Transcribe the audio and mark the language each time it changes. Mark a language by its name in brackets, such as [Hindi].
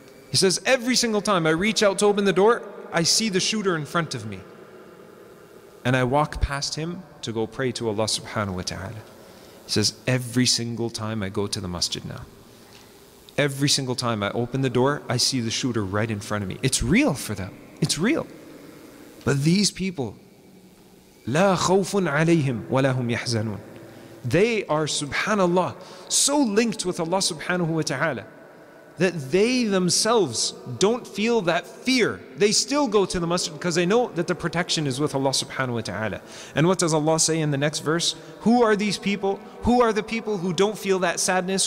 [English] He says, every single time I reach out to open the door, I see the shooter in front of me. And I walk past him to go pray to Allah subhanahu wa ta'ala. He says, every single time I go to the masjid now, every single time I open the door, I see the shooter right in front of me. It's real for them. It's real. But these people, [Arabic] لا خوف عليهم ولا هم يحزنون. [English] They are, subhanAllah, so linked with Allah subhanahu wa ta'ala that they themselves don't feel that fear. They still go to the masjid because they know that the protection is with Allah subhanahu wa ta'ala. And what does Allah say in the next verse? Who are these people? Who are the people who don't feel that sadness?